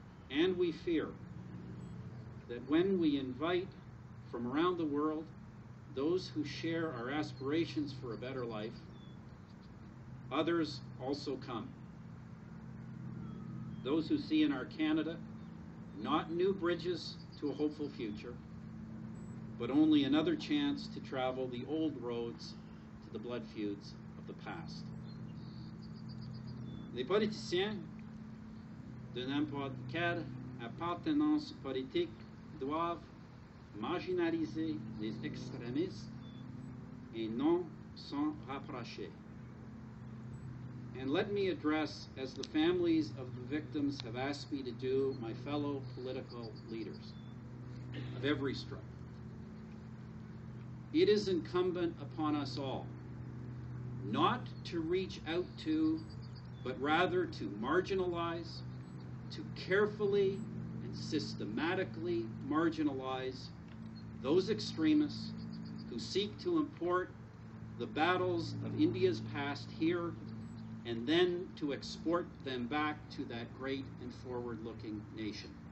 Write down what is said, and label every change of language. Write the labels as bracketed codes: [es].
[en] And we fear that when we invite from around the world those who share our aspirations for a better life, others also come. Those who see in our Canada not new bridges to a hopeful future, but only another chance to travel the old roads to the blood feuds of the past. [fr] Les politiciens de n'importe quelle appartenance politique doivent marginaliser les extrémistes et non s'en rapprocher. [en] And let me address, as the families of the victims have asked me to do, my fellow political leaders of every stripe. It is incumbent upon us all not to reach out to, but rather to marginalize, to carefully and systematically marginalize those extremists who seek to import the battles of India's past here and then to export them back to that great and forward-looking nation.